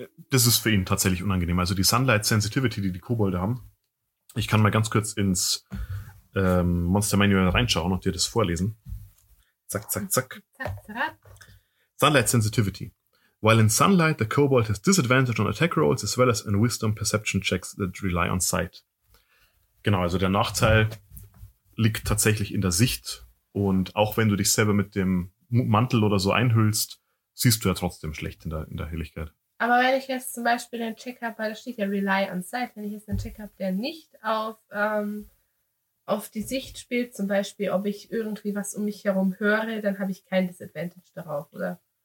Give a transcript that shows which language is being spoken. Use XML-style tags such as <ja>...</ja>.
<de>Das ist für ihn tatsächlich unangenehm. Also die Sunlight Sensitivity, die Kobolde haben. Ich kann mal ganz kurz ins Monster Manual reinschauen und dir das vorlesen. Zack, zack, zack. Sunlight Sensitivity.</de> <en>While in Sunlight, the Kobold has disadvantage on attack rolls as well as in Wisdom Perception checks that rely on sight.</en> <de>Genau, also der Nachteil liegt tatsächlich in der Sicht. Und auch wenn du dich selber mit dem Mantel oder so einhüllst, siehst du ja trotzdem schlecht in der Helligkeit. Aber wenn ich jetzt zum Beispiel einen Check habe, weil da steht ja</de> <en>Rely on Sight,</en> <de>wenn ich jetzt einen Check habe, der nicht auf die Sicht spielt, zum Beispiel, ob ich irgendwie was um mich herum höre, dann habe ich kein Disadvantage darauf, oder?</de>